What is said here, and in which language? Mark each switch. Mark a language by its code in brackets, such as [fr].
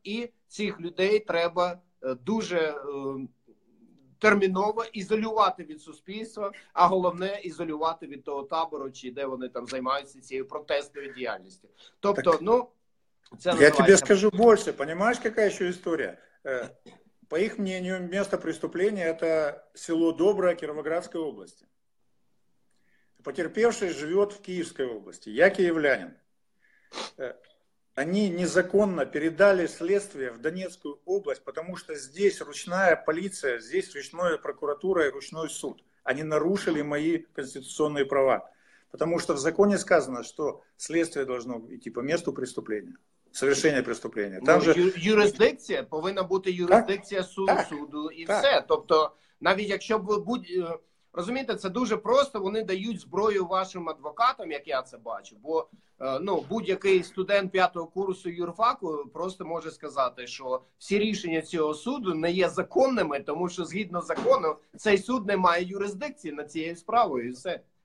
[uk] І цих людей треба дуже терміново ізолювати від суспільства, а головне ізолювати від того табору, чи де вони там займаються цією протестною діяльністю. Тобто, так, ну, це називається... Я тобі скажу більше, розумієш, яка ще історія? По їх мненню, місце преступлення – це село Доброе Кіровоградської області. Потерпевший живе в Київській області. Я київлянин. [ru] Они незаконно передали следствие в Донецкую область, потому что здесь ручная полиция, здесь ручная прокуратура и ручной суд. Они нарушили мои конституционные права. Потому что в законе сказано, что следствие должно идти по месту преступления, совершения преступления. Там же... [uk] юрисдикция, повинна бути юрисдикция суду и так. [ru] Все. [uk] Тобто, навіть якщо б розумієте, це дуже просто, вони дають зброю вашим адвокатам, як я це бачу, бо ну, будь-який студент 5-го курсу юрфаку просто може сказати, що всі рішення цього суду не є законними, тому що згідно закону цей суд не має юрисдикції над цією справою, і все.